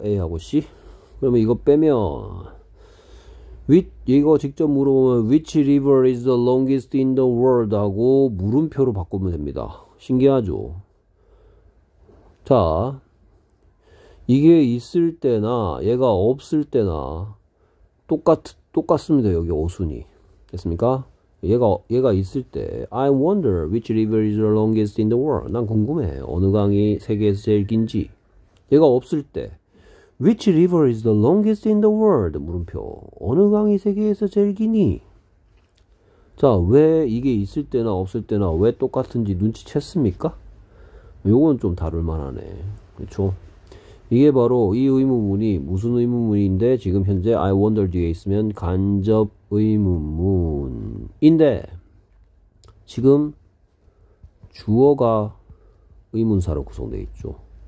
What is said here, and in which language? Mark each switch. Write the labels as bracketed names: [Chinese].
[Korean] A하고 C. 그러면 이거 빼면 이거 직접 물어보면 [English] Which river is the longest in the world? [Korean] 하고 물음표로 바꾸면 됩니다. 신기하죠? 자, 이게 있을 때나 얘가 없을 때나 똑같습니다. 여기 어순이. 됐습니까? 얘가 있을 때 [English] I wonder which river is the longest in the world. [Korean] 난 궁금해. 어느 강이 세계에서 제일 긴지. 얘가 없을 때 [English] Which river is the longest in the world? [Korean] 물음표. 어느 강이 세계에서 제일 기니? 자, 왜 이게 있을 때나 없을 때나 왜 똑같은지 눈치챘습니까? 요건 좀 다를 만하네. 그렇죠? 이게 바로 이 의문문이 무슨 의문문인데 지금 현재 I wonder 뒤에 있으면 간접 의문문인데 지금 주어가 의문사로 구성되어 있죠.